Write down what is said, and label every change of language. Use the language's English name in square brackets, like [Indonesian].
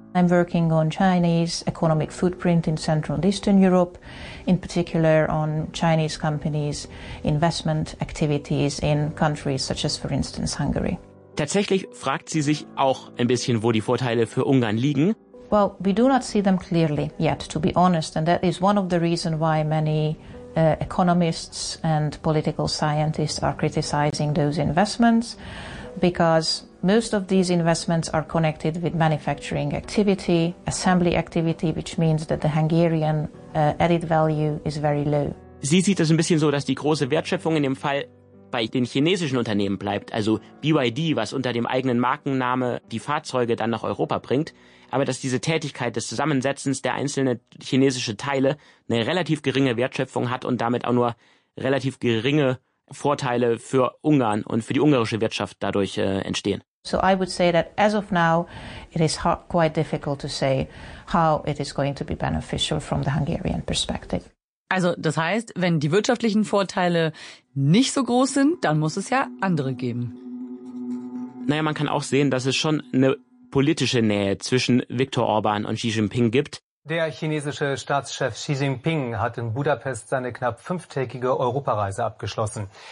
[English] I'm working on Chinese economic footprint in Central and Eastern Europe, in particular on Chinese companies' investment activities in countries such as, for instance, Hungary. [German] Tatsächlich fragt sie sich auch ein bisschen, wo die Vorteile für Ungarn liegen. [English] Well, we do not see them clearly yet, to be honest, and that is one of the reasons why many economists and political scientists are criticizing those investments, because Most of these investments are connected with manufacturing activity, assembly activity, which means that the Hungarian added value is very low. [German] Sie sieht es ein bisschen so, dass die große Wertschöpfung in dem Fall bei den chinesischen Unternehmen bleibt, also BYD, was unter dem eigenen Markenname die Fahrzeuge dann nach Europa bringt, aber dass diese Tätigkeit des Zusammensetzens der einzelnen chinesischen Teile eine relativ geringe Wertschöpfung hat und damit auch nur relativ geringe Vorteile für Ungarn und für die ungarische Wirtschaft dadurch entstehen. [English] So I would say that as of now it is quite difficult to say how it is going to be beneficial from the Hungarian perspective. [German] Also das heißt, wenn die wirtschaftlichen Vorteile nicht so groß sind, dann muss es ja andere geben. Naja, man kann auch sehen, dass es schon eine politische Nähe zwischen Viktor Orban und Xi Jinping gibt. Der chinesische Staatschef Xi Jinping hat in Budapest seine knapp fünftägige Europareise abgeschlossen.